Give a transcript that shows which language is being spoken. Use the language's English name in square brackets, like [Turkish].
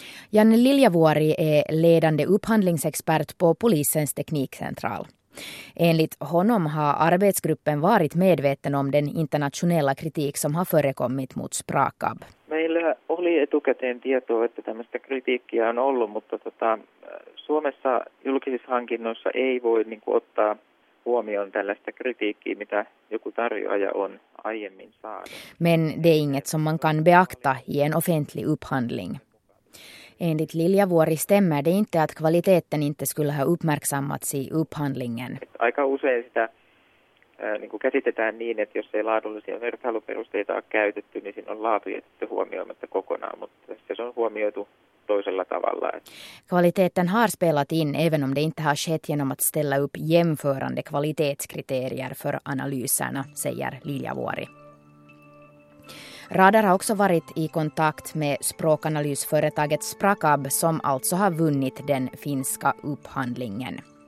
[Swedish] Janne Liljavuori är ledande upphandlingsexpert på polisens teknikcentral. Enligt honom har arbetsgruppen varit medveten om den internationella kritik som har förekommit mot Sprakab. [Finnish] Meillä oli etukäteen tietoa, että tämmöistä kritiikkiä on ollut, mutta Suomessa julkisissa hankinnoissa ei voi niin kuin ottaa huomioon tällaista kritiikkiä, mitä joku tarjoaja on aiemmin saanut. [Swedish] Men det är inget som man kan beakta i en offentlig upphandling. Enligt Liljavuori stämmer det inte att kvaliteten inte skulle ha uppmärksammats i upphandlingen. [Finnish] Aika usein sitä niin kuin käsitetään niin, että jos ei laadullisia vertailuperusteita ole käytetty, niin siinä on laatu jätetty huomioimatta kokonaan, mutta se on huomioitu toisella tavalla. [Swedish] Kvaliteten har spelat in, även om det inte har skett genom att ställa upp jämförande kvalitetskriterier för analyserna, säger Liljavuori. Radar har också varit i kontakt med språkanalysföretaget Sprakab, som alltså har vunnit den finska upphandlingen.